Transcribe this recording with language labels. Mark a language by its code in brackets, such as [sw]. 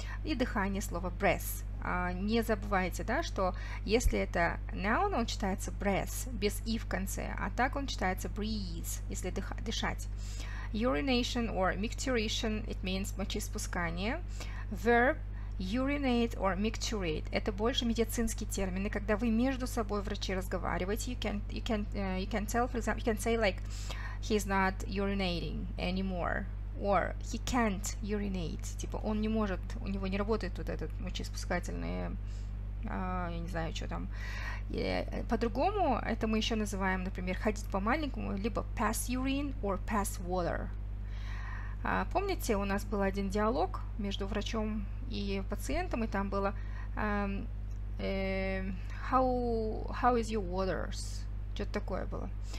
[ru] И дыхание – слово breath. Не забывайте, да, что если это noun, он читается breath, без и в конце, а так он читается breathe, если дышать. [en] Urination or micturition – it means мочеиспускание. Verb – urinate or micturate. [ru] Это больше медицинские термины, когда вы между собой врачи разговариваете. [en] You can tell, for example, you can say like he's not urinating anymore or he can't urinate. [ru] Типа он не может, у него не работает вот этот мочеиспускательный, я не знаю, что там. По-другому это мы еще называем, например, ходить по-маленькому, либо [en] pass urine or pass water. [ru] Помните, у нас был один диалог между врачом и пациентом, и там было [en] how is your waters? [ru] Что-то такое было.